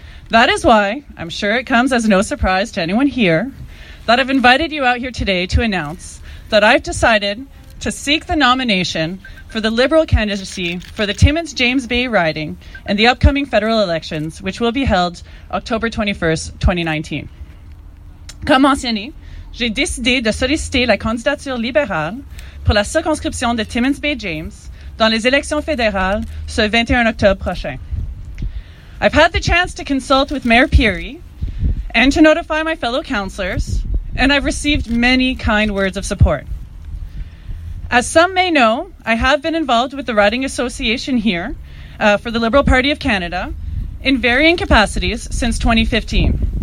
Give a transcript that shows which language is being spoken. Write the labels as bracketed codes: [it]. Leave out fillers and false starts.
[en] That is why, I'm sure it comes as no surprise to anyone here, that I've invited you out here today to announce that I've decided to seek the nomination for the Liberal candidacy for the Timmins James Bay riding in the upcoming federal elections, which will be held October 21st, 2019. [fr] Comme mentionné, j'ai décidé de solliciter la candidature libérale pour la circonscription de Timmins Bay James dans les élections fédérales ce 21 octobre prochain. [en] I've had the chance to consult with Mayor Peary and to notify my fellow councillors, and I've received many kind words of support. As some may know, I have been involved with the Riding Association here for the Liberal Party of Canada in varying capacities since 2015.